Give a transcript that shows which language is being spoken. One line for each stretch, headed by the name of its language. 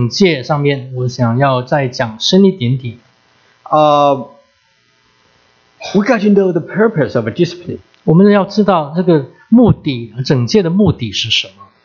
Chinese: 当我们讲到教会的惩戒上面，我想要再讲深一点点。
English: We got to know the purpose of a discipline.
Chinese: 我们要知道这个目的，惩戒的目的是什么。